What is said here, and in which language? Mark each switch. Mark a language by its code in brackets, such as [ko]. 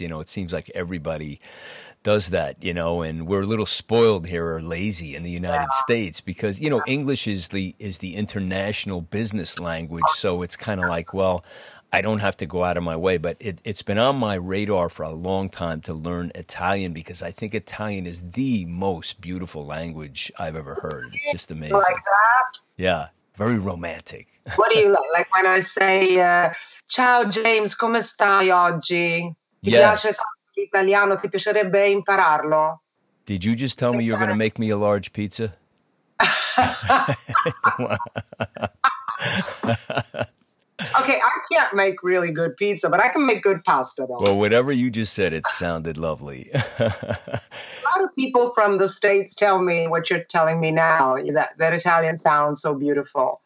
[en] You know, it seems like everybody does that, you know, and we're a little spoiled here or lazy in the United States because, you know, English is the international business language. So it's kind of like, well, I don't have to go out of my way, but it's been on my radar for a long time to learn Italian because I think Italian is the most beautiful language I've ever heard. It's just amazing. Like that? Yeah. Very romantic. What do you like? Like when I say, [it] ciao James, come stai oggi? [en] Yes. [it] Italiano, ti piacerebbe impararlo? [en] Did you just tell me you're going to make me a large pizza? Okay, I can't make really good pizza, but I can make good pasta, though. Well, whatever you just said, it sounded lovely. A lot of people from the States tell me what you're telling me now, that Italian sounds so beautiful.